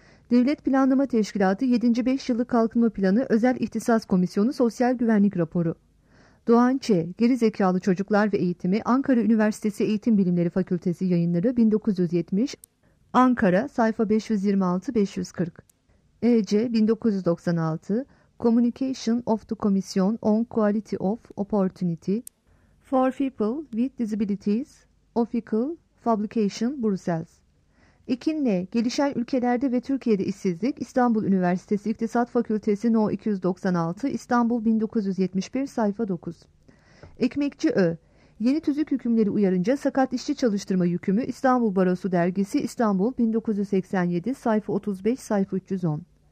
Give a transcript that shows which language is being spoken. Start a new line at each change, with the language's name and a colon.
Turkish: Devlet Planlama Teşkilatı 7. 5 Yıllık Kalkınma Planı Özel İhtisas Komisyonu Sosyal Güvenlik Raporu. Doğan Ç. Gerizekalı Çocuklar ve Eğitimi Ankara Üniversitesi Eğitim Bilimleri Fakültesi Yayınları 1970, Ankara sayfa 526-540.
English: E.C. 1996, Communication of the Commission on Quality of Opportunity for People with Disabilities, Official Publication, Brussels.
Turkish: İkinle, Gelişen Ülkelerde ve Türkiye'de İşsizlik, İstanbul Üniversitesi İktisat Fakültesi No. 296, İstanbul 1971, sayfa 9. Ekmekçi Ö, Yeni Tüzük Hükümleri Uyarınca Sakat İşçi Çalıştırma Yükümü, İstanbul Barosu Dergisi, İstanbul 1987, sayfa 35, sayfa 310.